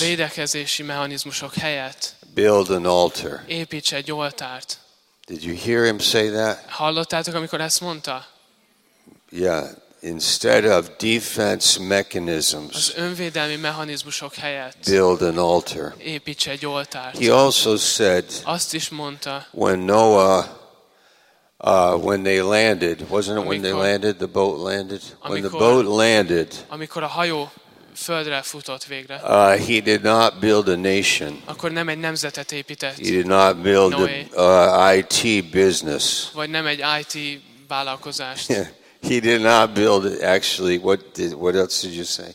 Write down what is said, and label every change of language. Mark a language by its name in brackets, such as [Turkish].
[Hungarian] A védekezési mechanizmusok helyett. [English] Build an altar. [Hungarian] Építs egy oltárt. [English] Did you hear him say that? [Hungarian] Hallottátok, amikor ezt mondta? [English] Yeah, instead of defense mechanisms. [Hungarian] Az önvédelmi mechanizmusok helyett. [English] Build an altar. [Hungarian] Építs egy oltárt. [English] He also said. [Hungarian] Azt is mondta. [English] When Noah when they landed, wasn't it amikor, when they landed the boat landed? [Hungarian] Amikor, [English] when the boat landed. [Hungarian] Amikor a hajó földre futott végre. [English] He did not build a nation. [Hungarian] Akkor nem egy nemzetet épített. [English] He did not build a IT business. [Hungarian] Vagy nem egy IT vállalkozást. [English] He did not build it. Actually, what else did you say?